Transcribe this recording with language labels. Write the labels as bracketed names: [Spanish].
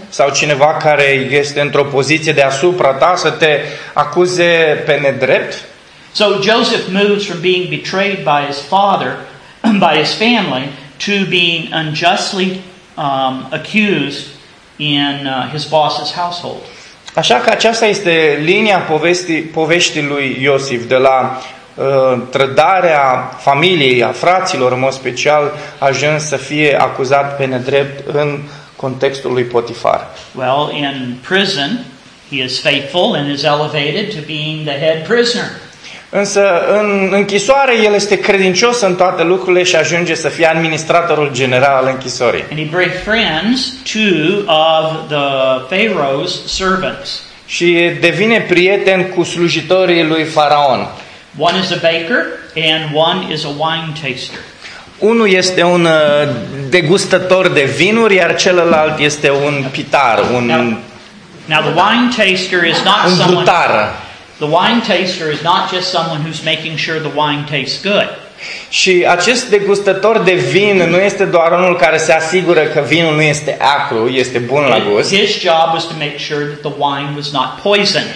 [Romanian] Sau cineva care este într-o poziție deasupra ta să te acuze pe nedrept? [English] So Joseph moves from being betrayed by his father, by his family, to being unjustly accused in his boss's household. [Romanian] Așa că aceasta este linia poveștii lui Iosif, de la trădarea familiei, a fraților, în mod special, ajuns să fie acuzat pe nedrept în contextul lui Potifar. [English] Well, in prison, he is faithful and is elevated to being the head prisoner. [Romanian] Însă în închisoare el este credincios în toate lucrurile și ajunge să fie administratorul general al închisorii. [English] And he brings friends two of the Pharaoh's servants. [Romanian] Și devine prieten cu slujitorii lui Faraon. [English] One is a baker and one is a wine taster. [Romanian] Unul este un degustător de vinuri, iar celălalt este un pitar, un [English] now the wine taster is not [Romanian] un brutar. [English] The wine taster is not just someone who's making sure the wine tastes good. [Romanian] Și acest degustător de vin nu este doar unul care se asigură că vinul nu este acru, este bun la gust. [English] His job was to make sure that the wine was not poisoned.